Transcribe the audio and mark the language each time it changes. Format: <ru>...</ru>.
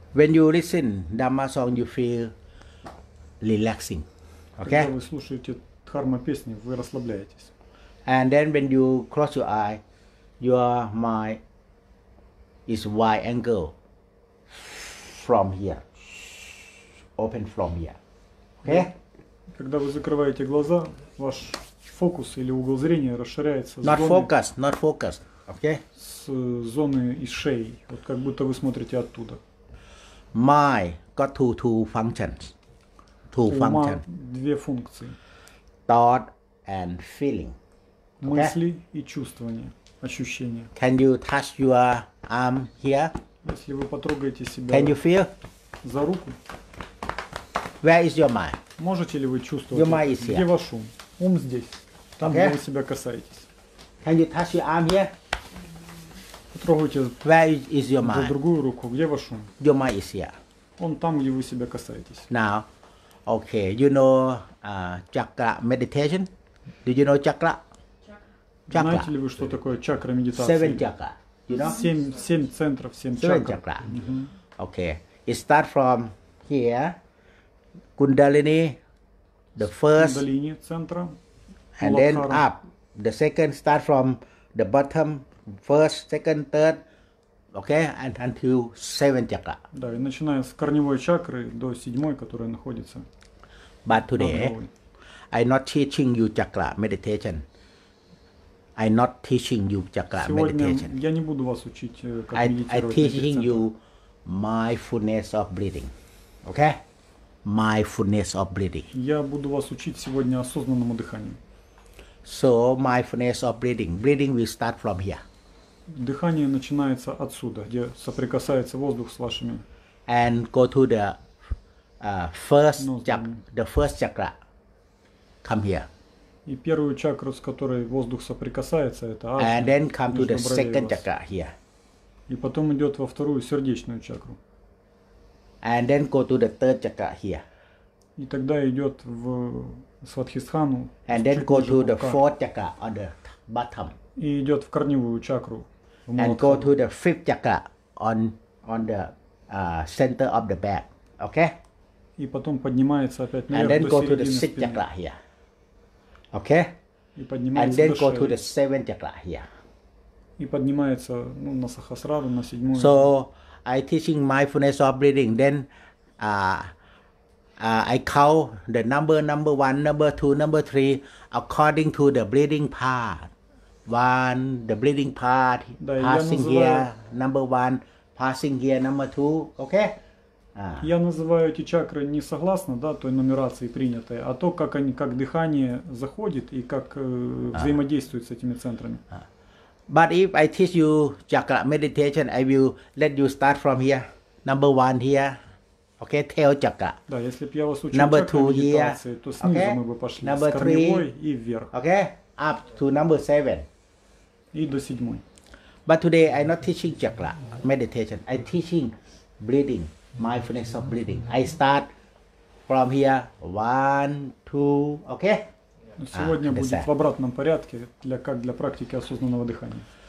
<en>When you listen Dhamma song, you feel relaxing. Okay?</en> <ru>Когда вы слушаете Дхарма песни, вы расслабляетесь.</ru> <en>And then when you cross your eye, your mind is wide angle from here. Open from here. Okay?</en> <ru>Когда вы закрываете глаза, ваш фокус или угол зрения расширяется.</ru> <en>Not focus, not focus. Okay?</en> <ru>С зоны из шеи. Вот как будто вы смотрите оттуда.</ru> <en>Mind got two functions.</en> <ru>Две функции.</ru> <en>Thought and feeling. Okay?</en> <ru>Мысли и чувствования, ощущения.</ru> <en>Can you touch your arm here?</en> <ru>Если вы потрогаете себя.</ru> <en>Can you feel?</en> <ru>За руку.</ru> <en>Where is your mind?</en> <ru>Можете ли вы чувствовать?</ru> <en>Your mind is here.</en> <ru>Где ваш ум? Ум здесь. Там,</ru> <en>okay?</en> <ru>Где вы себя касаетесь.</ru> <en>Can you touch your arm here?</en> <ru>Потрогайте.</ru> <en>Where is your mind?</en> <ru>За другую руку. Где ваш ум?</ru> <en>Your mind is here.</en> <ru>Он там, где вы себя касаетесь.</ru> <en>Now, okay, you know chakra meditation? Do you know chakra? Chakra.</en> <ru>Знаете ли вы, что такое чакра медитации?</ru> <en>Seven chakra. You know?</en> <ru>Семь центров, семь</ru> <en>чакр. Seven chakra. Okay. It start from here. Kundalini, the first.</en> <ru>Kundalini, центра.</ru> <en>And then up. The second start from the bottom. First, second, third, okay, and until seventh chakra.</en> <ru>Да, и начиная с корневой чакры до седьмой, которая находится.</ru> <en>But today, I'm not teaching you chakra meditation. I'm not teaching you chakra</en> <ru>Сегодня</ru> <en>meditation.</en> <ru>Сегодня я не буду вас учить, как медитировать.</ru> <en>I'm teaching you mindfulness of breathing, okay? Mindfulness of breathing.</en> <ru>Я буду вас учить сегодня осознанному дыханию.</ru> <en>So mindfulness of breathing. Breathing will start from here.</en> <ru>Дыхание начинается отсюда, где соприкасается воздух с вашими.</ru> <en>And go to the first chakra. Come here.</en> <ru>И первую чакру, с которой воздух соприкасается, это астма.</ru> <en>And then come to the second chakra here.</en> <ru>И потом идет во вторую сердечную чакру.</ru> <en>And then go to the third chakra here.</en> <ru>И тогда идет в Сватхистхану.</ru> <en>And then go to the fourth chakra on the bottom.</en> <ru>И идет в корневую чакру.</ru> <en>And go to the fifth chakra on the center of the back. Okay?</en> <ru>И потом поднимается опять наверх.</ru> <en>And then go to the sixth</en> <ru>спины.</ru> <en>Chakra here. Okay?</en> <ru>И поднимается.</ru> <en>And then go to the seventh chakra here.</en> <ru>И поднимается, ну, на сахасрару, на седьмую.</ru> <en>So I teaching mindfulness of breathing. Then I count the number one, number two, number three, according to the breathing path. One, the breathing path,</en> <ru>да,</ru> <en>passing here, number one, passing here, number two, okay?</en> <ru>Я называю эти чакры не согласно, да, той нумерации принятой, а то, как они, как дыхание заходит и как взаимодействует с этими центрами.</ru> <en>But if I teach you chakra meditation, I will let you start from here, number one here. Okay, tail chakra.</en> <ru>Да, если бы я вас учил чакры медитации, то снизу</ru> <en>okay?</en> <ru>мы бы пошли,</ru> <en>number</en> <ru>с корневой и вверх.</ru> <en>Okay, up to number seven.</en> <ru>И до седьмой.</ru> <en>But today I'm not teaching chakra meditation. I'm teaching breathing, mindfulness of breathing. I start from here, one, two, okay?</en> <ru>Сегодня будет в обратном порядке, как для практики осознанного дыхания.</ru>